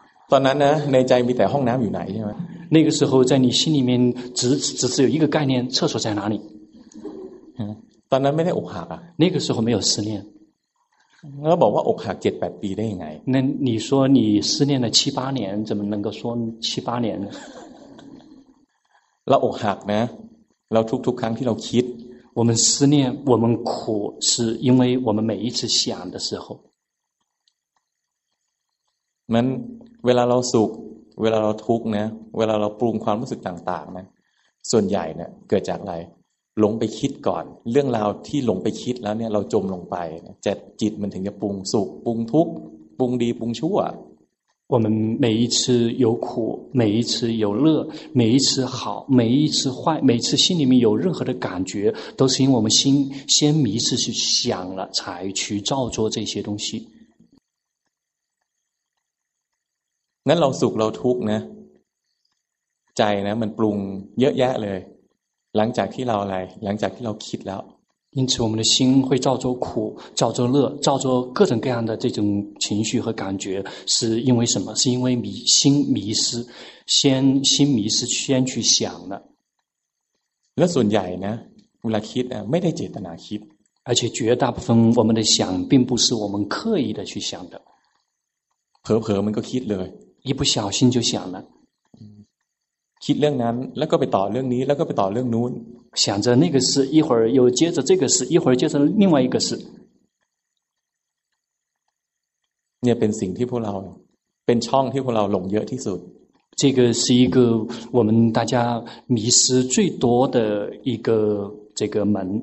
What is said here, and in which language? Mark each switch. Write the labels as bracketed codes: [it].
[th] ตอนนั้นนะในใจมีแต่ห้องน้ำอยู่ไหนใช่ไหม [zh] 那个时候在你心里面只是有一个概念厕所在哪里 [th] ตอนนั้นไม่ได้อกหักอ่ะ [zh] 那个时候没有失恋 [th] แล้วบอกว่าอกหัก7 8ปีได้ยังไง [zh] 那你说你失恋了七八年怎么能够说七八年 [th] เราอกหักนะเราทุกครั้งที่เราคิด [zh] 我们失恋我们苦是因为我们每一次想的时候 [th] มันเวลาเราสุขเวลาเราทุกข์นะเวลาเราปรุงความรู้สึกต่างๆนะส่วนใหญ่เนี่ยเกิดจากอะไรหลงไปคิดก่อนเรื่องราวที่หลงไปคิดแล้วเนี่ยเราจมลงไปจิตมันถึงจะปรุงสุขปรุงทุกข์ปรุงดีปรุงชั่ว [zh] 我们每一次有苦，每一次有乐，每一次好，每一次坏，每次心里面有任何的感觉，都是因为我们心先迷失去想了，才去造作这些东西。那老苦，老痛呢？在呢， [th] มันปรุงเยอะแยะเลย。หลังจากที่เราอะไร，หลังจากที่เราคิดแล้ว。 [zh] 因此我们的心会造作苦造作乐造作各种各样的这种情绪和感觉是因为什么是因为迷心迷失先心迷失先去想了 [th] 那ส่วนใหญ่นะเวลาคิดไม่ได้เจตนาคิด [zh] 而且绝大部分我们的想并不是我们刻意的去想的 [th] เผลอๆมันก็คิดเลย [zh] 一不小心就想了 [th] คิดเรื่องนั้นแล้วก็ไปต่อเรื่องนี้แล้วก็ไปต่อเรื่องนู้น [zh] 想着那个事一会儿又接着这个事一会儿接着另外一个事 [th] 那เป็นสิ่งที่พวกเราเป็นช่องที่พวกเราหลงเยอะที่สุด [zh] 这个是一个我们大家迷失最多的一个这个门